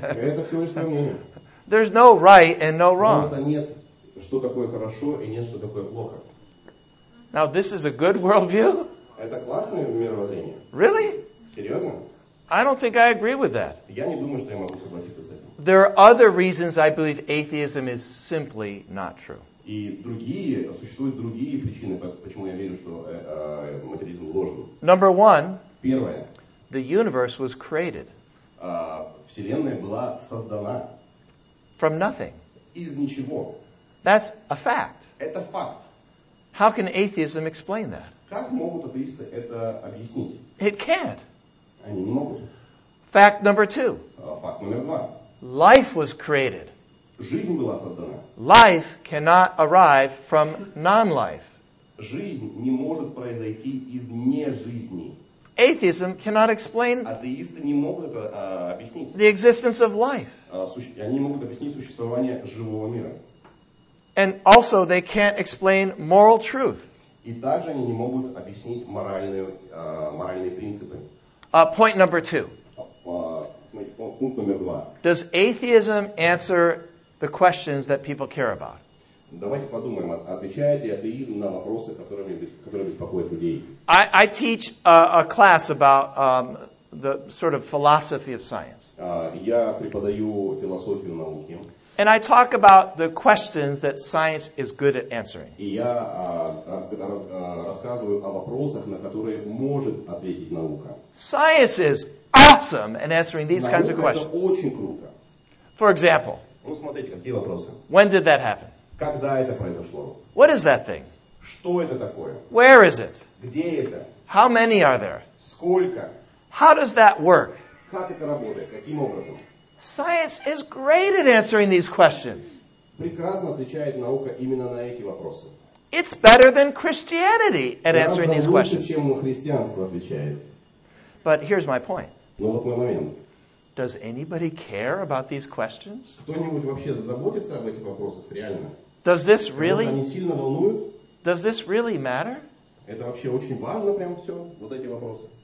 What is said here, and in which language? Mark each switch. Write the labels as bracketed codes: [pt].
[ru] Это всё лишь твоё мнение. [en] There's no right and no wrong. [ru] Просто нет, что такое хорошо и нет, что такое плохо. [en] Now this is a good worldview. [ru] Это классное мировоззрение. [en] Really? [ru] Серьезно? [en] I don't think I agree with that. [ru] Я не думаю, что я могу согласиться с этим. [en] There are other reasons I believe atheism is simply not true. [ru] И другие, существуют другие причины, почему я верю, что материализм ложен. [en] Number one. [ru] Первое. [en] The universe was created. [ru] Вселенная была создана. [en] From nothing. [ru] Из ничего. [en] That's a fact. [ru] Это факт. [en] How can atheism explain that? [ru] Как могут атеисты это объяснить? [en] It can't. [ru] Они не могут. [en] Fact number two. [ru] Факт номер два. [en] Life was created. [ru] Жизнь была создана. [en] Life cannot arrive from non-life. [ru] Жизнь не может произойти из нежизни. [en] Atheism cannot explain the existence of life. [ru] Они могут объяснить существование живого мира. [en] And also they can't explain moral truth. [ru] И также они не могут объяснить моральные принципы. [en] Point number two. [ru] Пункт номер два. [en] Does atheism answer the questions that people care about? [ru] Давайте подумаем, отвечает ли атеизм на вопросы, которые беспокоят людей. [en] I teach a class about the sort of philosophy of science. [ru] Я преподаю философию науки. [en] And I talk about the questions that science is good at answering. [ru] И я рассказываю о вопросах, на которые может ответить наука. [en] Science is awesome at answering these kinds of questions. [ru] Наука это очень круто. [en] For example. [ru] Ну смотрите, какие вопросы. [en] When did that happen? [ru] Когда это произошло? [en] What is that thing? [ru] Что это такое? [en] Where is it? [ru] Где это? [en] How many are there? [ru] Сколько? [en] How does that work? [ru] Как это работает? Каким образом? [en] Science is great at answering these questions. [ru] Прекрасно отвечает наука именно на эти вопросы. [en] It's better than Christianity at answering these questions. [ru] Гораздо лучше, чем христианство отвечает. [en] But here's my point. [ru] Но вот мой момент. [en] Does anybody care about these questions? [ru] Кто-нибудь вообще заботится об этих вопросах реально? [en] Does this really? [ru] Они сильно волнуют? [en] Does this really matter? [ru] Это вообще очень важно, прям все, вот эти вопросы.